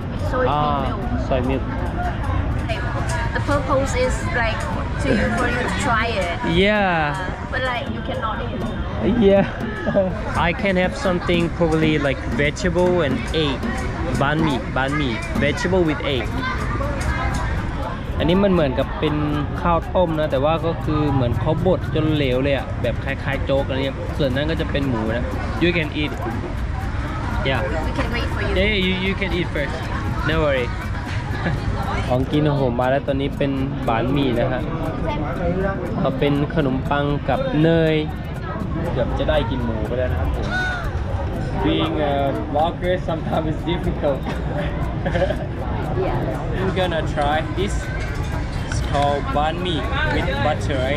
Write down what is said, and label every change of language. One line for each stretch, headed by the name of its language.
English: soy milk Purpose is like to you for you to try it. Yeah. But like you cannot eat. Yeah. I can have something probably like vegetable and egg, banh mi, vegetable with egg.
Thai: นนี้มันเหมือนกับเป็นข้าวต้มนะแต่ว่าก็คือเหมือนเขาบดจนเหลวเลยอ่ะแบบคล้ายๆโจ๊กอะไรเงี้ยส่วนนั้นก็จะเป็นหมูนะ
English: you can eat yeah we can wait for you yeah you can eat first no worry
Thai: ของกินหอมมาแล้วตอนนี้เป็นบานหมี่นะฮะเขาเป็นขนมปังกับเนย เกือบจะได้กินหมูไปแล้วนะครับผม
English: being a walker sometimes is difficult yeah we're gonna try thisCalled banh mi with butter, right?